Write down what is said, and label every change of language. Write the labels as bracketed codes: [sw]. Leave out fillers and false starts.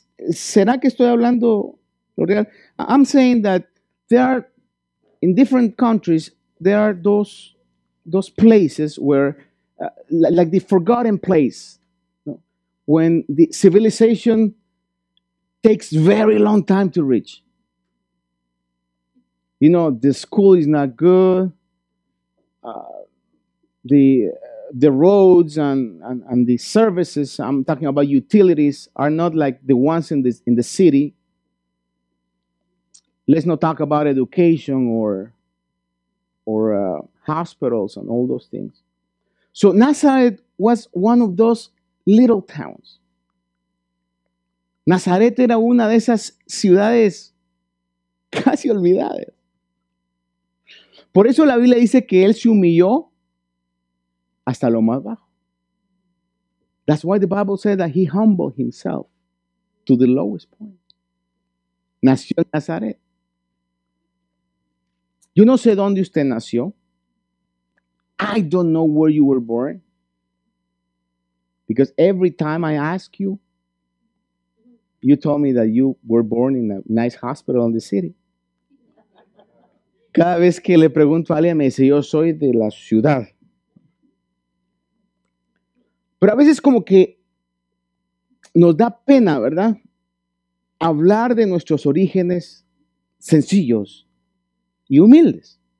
[es] ¿Será que estoy hablando lo real? [en] I'm saying that there are, in different countries, there are those places where, like the forgotten place, you know, when the civilization takes very long time to reach. You know, the school is not good, the roads and the services, I'm talking about utilities, are not like the ones in the city. Let's not talk about education or hospitals and all those things. So Nazareth was one of those little towns. [es] Nazaret era una de esas ciudades casi olvidadas. Por eso la Biblia dice que él se humilló hasta lo más bajo. [en] That's why the Bible said that he humbled himself to the lowest point. [es] Nació en Nazaret. Yo no sé dónde usted nació. [en] I don't know where you were born. Because every time I ask you, you told me that you were born in a nice hospital in the city. [es] Cada vez que le pregunto a alguien, me dice, yo soy de la ciudad. Pero a veces como que nos da pena, ¿verdad? Hablar de nuestros orígenes sencillos y humildes.